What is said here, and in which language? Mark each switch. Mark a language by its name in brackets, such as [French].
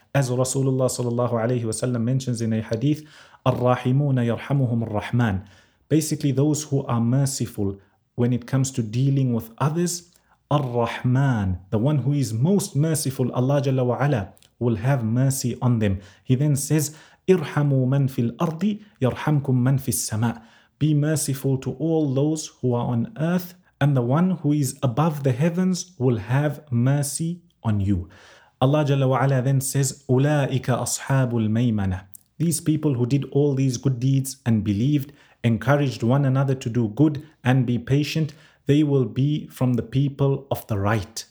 [English] As Rasulullah sallallahu alayhi wa sallam mentions in a hadith, [Arabic] الرَّاحِمُونَ يَرْحَمُهُمُ الرَّحْمَنِ. [English] Basically, those who are merciful when it comes to dealing with others, الرَّحْمَنِ, the one who is most merciful, Allah Jalla wa Ala, will have mercy on them. He then says, [Arabic] اِرْحَمُوا مَنْ فِي الْأَرْضِ يَرْحَمْكُمْ مَنْ فِي السَّمَاءِ. [English] Be merciful to all those who are on earth, and the one who is above the heavens will have mercy on you. Allah Jalla wa Ala then says, [Arabic] أُولَٰئِكَ أَصْحَابُ الْمَيْمَنَةِ. [English] These people who did all these good deeds and believed, encouraged one another to do good and be patient, they will be from the people of the right.